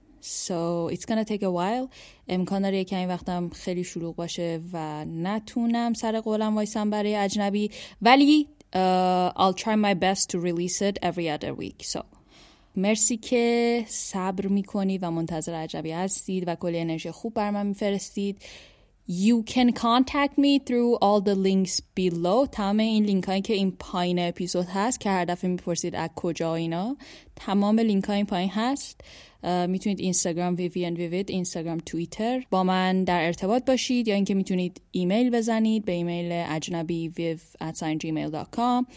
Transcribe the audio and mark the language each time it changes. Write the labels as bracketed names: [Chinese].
[English] So it's gonna take a while. [Persian] امکان داره یکی این وقتم خیلی شلوغ باشه و نتونم سر قولم وایسم برای اجنبی، ولی [English] I'll try my best to release it every other week. [Persian] So مرسی که صبر میکنید و منتظر اجنبی هستید و کلی انرژی خوب برام میفرستید. [English] You can contact me through all the links below. [Persian] تمام این لینک هایی که این پایین اپیزود هست که هر دفعه میپرسید از کجا اینا، تمام لینک های این پایین هست. میتونید اینستاگرام Vivian Vivid، اینستاگرام توییتر با من در ارتباط باشید، یا اینکه میتونید ایمیل بزنید به ایمیل ajnabiviv@gmail.com.